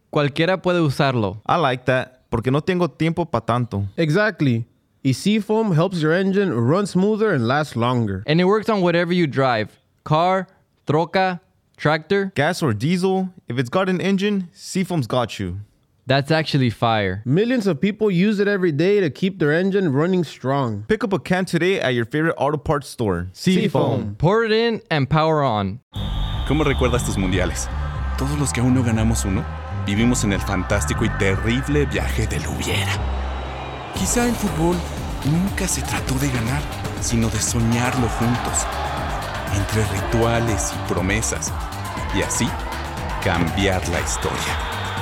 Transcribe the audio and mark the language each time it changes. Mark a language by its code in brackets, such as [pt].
[es] Cualquiera puede usarlo. [en] I like that. [es] Porque no tengo tiempo pa tanto. [en] Exactly. Y Seafoam helps your engine run smoother and last longer. And it works on whatever you drive. Car, troca, tractor. Gas or diesel. If it's got an engine, Seafoam's got you. That's actually fire. Millions of people use it every day to keep their engine running strong. Pick up a can today at your favorite auto parts store. Seafoam. Pour it in and power on. [es] ¿Cómo recuerdas tus mundiales? Todos los que aún no ganamos uno, vivimos en el fantástico y terrible viaje del hubiera. Quizá el fútbol nunca se trató de ganar, sino de soñarlo juntos, entre rituales y promesas, y así cambiar la historia.